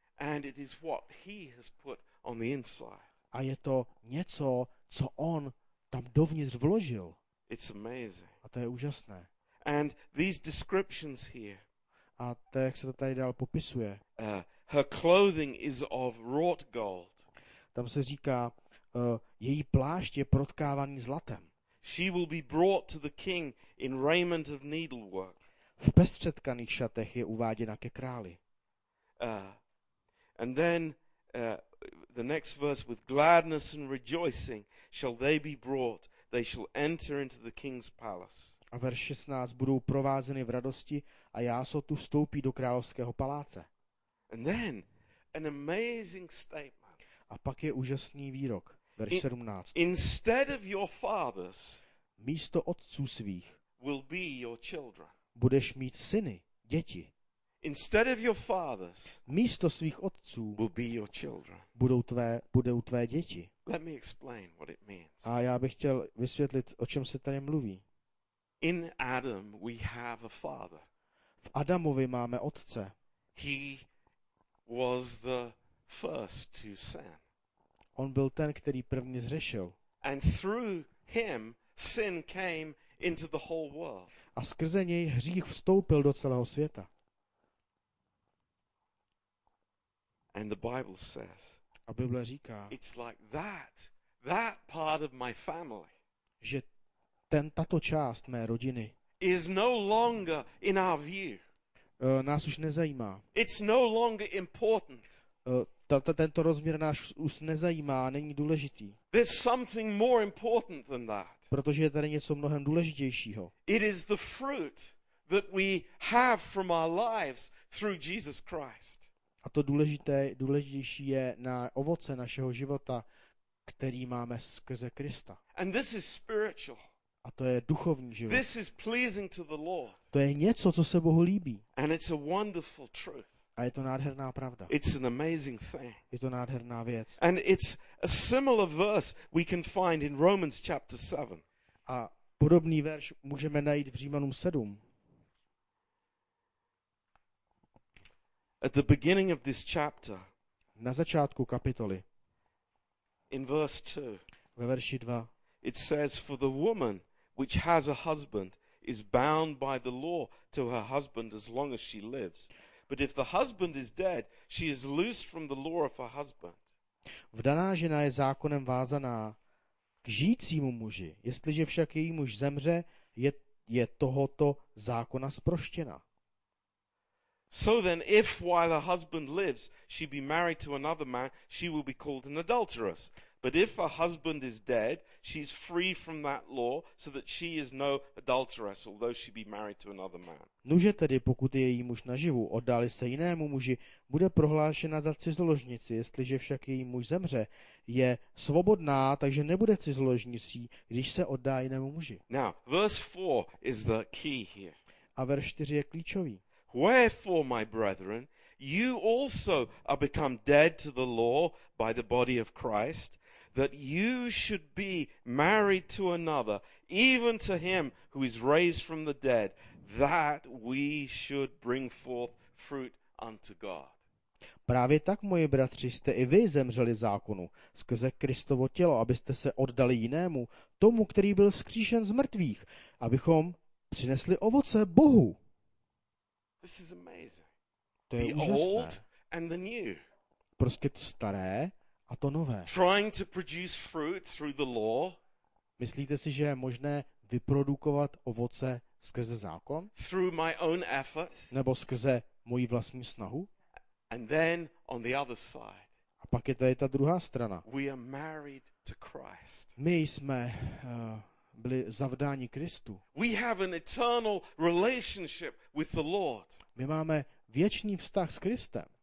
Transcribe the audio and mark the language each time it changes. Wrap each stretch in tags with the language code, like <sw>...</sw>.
<en>And it is what he has put on the inside.</en> <cs>A je to něco, co on tam dovnitř vložil.</cs> <en>It's amazing.</en> <cs>A to je úžasné.</cs> <en>And these descriptions here.</en> <cs>A to, jak se to tady dál popisuje.</cs> <en>Her clothing is of wrought gold.</en> <cs>Tam se říká, její plášť je protkávaný zlatem.</cs> <en>She will be brought to the king in raiment of needlework.</en> <cs>V pestřetkaných šatech je uváděna ke králi.</cs> <en>And then the next verse, with gladness and rejoicing shall they be brought, they shall enter into the king's palace.</en> <cs>A verš 16, budou provázeny v radosti a jásotu vstoupí do královského paláce.</cs> <en>And then an amazing statement.</en> <cs>A pak je úžasný výrok, verš 17.</cs> <en>Instead of your fathers,</en> <cs>místo otců svých,</cs> <en>will be your children.</en> <cs>Budeš mít syny, děti.</cs> <en>Instead of your fathers,</en> <cs>místo svých otců,</cs> <en>will be your children.</en> <cs>Budou tvé děti.</cs> <en>Let me explain what it means.</en> <cs>A já bych chtěl vysvětlit, o čem se tady mluví.</cs> <en>In Adam we have a father.</en> <cs>V Adamovi máme otce.</cs> <en>He was the first to sin.</en> <cs>On byl ten, který první zřešil.</cs> <en>And through him sin came into the whole world.</en> <cs>A skrze něj hřích vstoupil do celého světa.</cs> <en>And the Bible says.</en> <cs>A Bible říká.</cs> <en>It's like that part of my family.</en> <cs>Že tato část mé rodiny</cs> <en>is no longer in our view.</en> <cs>Nás už nezajímá.</cs> <en>It's no longer important.</en> <cs>Tento rozměr nás už nezajímá, není důležitý.</cs> <en>There's something more important than that.</en> <cs>Protože je tady něco mnohem důležitějšího.</cs> <en>It is the fruit that we have from our lives through Jesus Christ.</en> <cs>A to důležitější je na ovoce našeho života, který máme skrze Krista.</cs> <en>And this is spiritual.</en> <cs>A to je duchovní život.</cs> <en>This is pleasing to the Lord.</en> <cs>To je něco, co se Bohu líbí.</cs> <en>And it's a wonderful truth.</en> <cs>A je to nádherná pravda.</cs> <en>It's an amazing thing.</en> <cs>Je to nádherná věc.</cs> <en>And it's a similar verse we can find in Romans chapter 7.</en> <cs>A podobný verš můžeme najít v Římanům 7.</cs> <en>At the beginning of this chapter,</en> <cs>Na začátku kapitoly.</cs> <en>In verse 2.</en> <cs>Ve verši 2.</cs> <en>It says, for the woman which has a husband is bound by the law to her husband as long as she lives. But if the husband is dead, she is loosed from the law of her husband.</en> <cs>Vdaná žena je zákonem vázaná k žijícímu muži. Jestliže však její muž zemře, je tohoto zákona zproštěna.</cs> <en>So then, if while her husband lives, she be married to another man, she will be called an adulteress. But if her husband is dead, she is free from that law, so that she is no adulteress, although she be married to another man.</en> <cs>Nuže tedy, pokud je její muž naživu, oddali se jinému muži, bude prohlášena za cizoložnici, jestliže však její muž zemře, je svobodná, takže nebude cizoložnicí, když se oddá jinému muži.</cs> <en>Now, verse 4 is the key here.</en> <cs>A verš 4 je klíčový.</cs> <en>Wherefore, my brethren, you also are become dead to the law by the body of Christ, that you should be married to another, even to him who is raised from the dead, that we should bring forth fruit unto God.</en> <cs>Právě tak, moji bratři, jste i vy zemřeli zákonu skrze Kristovo tělo, abyste se oddali jinému, tomu, který byl vzkříšen z mrtvých, abychom přinesli ovoce Bohu.</cs> <en>This is amazing.</en> <cs>To je úžasné.</cs> <en>The old and the new.</en> <cs>Prostě to staré a to nové.</cs> <en>Trying to produce fruit through the law.</en> <cs>Myslíte si, že je možné vyprodukovat ovoce skrze zákon?</cs> <en>Through my own effort.</en> <cs>Nebo skrze moji vlastní snahu?</cs> <en>And then on the other side.</en> <cs>A pak je tady ta druhá strana.</cs> <en>We are married to Christ.</en> <cs>My jsme byli zavdáni Kristu.</cs> <en>We have an eternal relationship with the Lord.</en> <cs>My máme věčný vztah s Kristem.</cs>